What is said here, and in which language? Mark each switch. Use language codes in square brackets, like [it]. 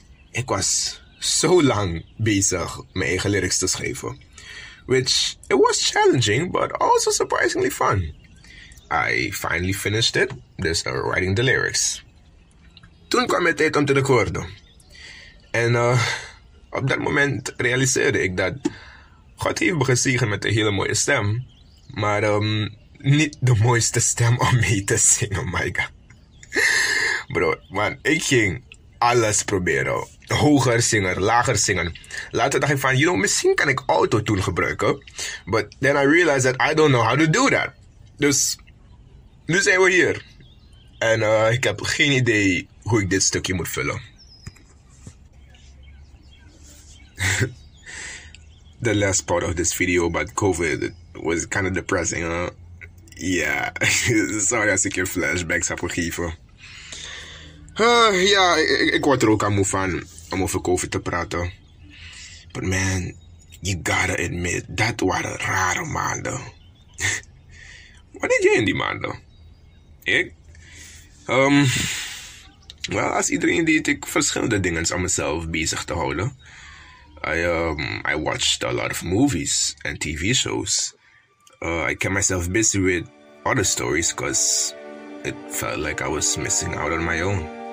[nl] Ik was zo lang bezig mijn eigen lyrics te schrijven. [en] Which, it was challenging, but also surprisingly fun. I finally finished it, dus writing the lyrics. [nl] Toen kwam het tijd om te recorden. En op dat moment realiseerde ik dat God heeft me gezegend met een hele mooie stem. Maar niet de mooiste stem om mee te zingen, [en] my God. [nl] Bro, man, ik ging alles proberen. Hoger zingen, lager zingen. Later dacht ik van, [en] you know, [nl] misschien kan ik autotune gebruiken. [en] But then I realized that I don't know how to do that. [nl] Dus, nu zijn we hier. En ik heb geen idee hoe ik dit stukje moet vullen. [en] The last part of this video about COVID was kind of depressing, huh? [nl] Yeah, sorry als ik je flashbacks heb gegeven. Ja, ik word er ook aan moe van om over COVID te praten. [en] But man, you gotta admit, [nl] dat waren rare maanden. Wat deed jij in die maanden? Ik? Wel, als iedereen deed ik verschillende dingen aan mezelf bezig te houden. [en] I watched a lot of movies and TV shows. I kept myself busy with other stories because it felt like I was missing out on my own.